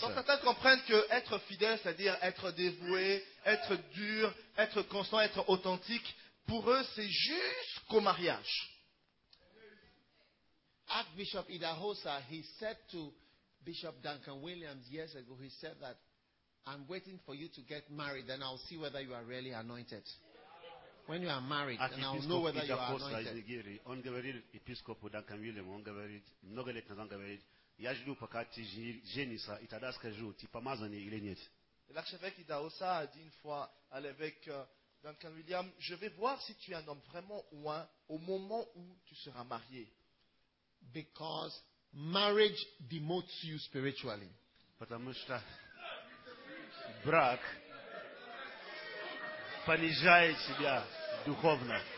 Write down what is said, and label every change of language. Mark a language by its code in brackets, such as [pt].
[fr] Donc certains comprennent que être fidèle, c'est-à-dire être dévoué, être dur, être constant, être authentique, pour eux, c'est jusqu'au mariage. [en] Archbishop Idahosa, he said to Bishop Duncan Williams years ago, he said that I'm waiting for you to get married, then I'll see whether you are really anointed. When you are married, and I'll know whether you are anointed. [ru] Архиепископ Идахоса из Нигерии, он говорит епископу Дункан Уильям, он говорит, много лет назад говорит, я жду, пока ты женишься, и тогда скажу, ты помазанный или нет. [fr] L'archevêque Idahosa a dit une fois à l'évêque Duncan Williams, je vais voir si tu es un homme vraiment ouin au moment où tu seras marié. [en] Because marriage demotes you spiritually. [ru] Потому что брак понижает себя духовно.